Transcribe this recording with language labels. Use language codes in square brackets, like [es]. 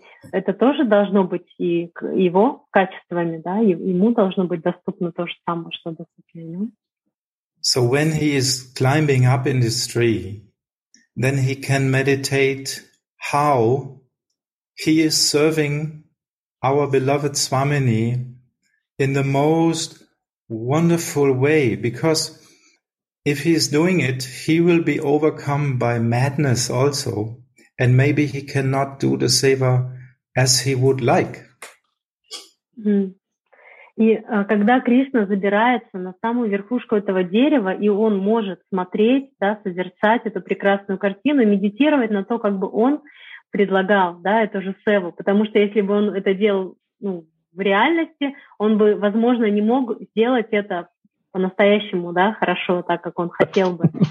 [ru] Это тоже должно быть и его качествами, да, ему должно быть доступно то же самое, что доступно ему. [en] So when he is climbing up in this tree, then he can meditate how he is serving our beloved Swamini in the most wonderful way, because if he is doing it, he will be overcome by madness also, and maybe he cannot do the seva as he would like. [ru] И когда Кришна забирается на самую верхушку этого дерева, и он может смотреть, да, созерцать эту прекрасную картину, медитировать на то, как бы он предлагал, да, эту же севу. Потому что если бы он это делал, ну, в реальности, он бы, возможно, не мог сделать это по-настоящему, да, хорошо, так как он хотел бы.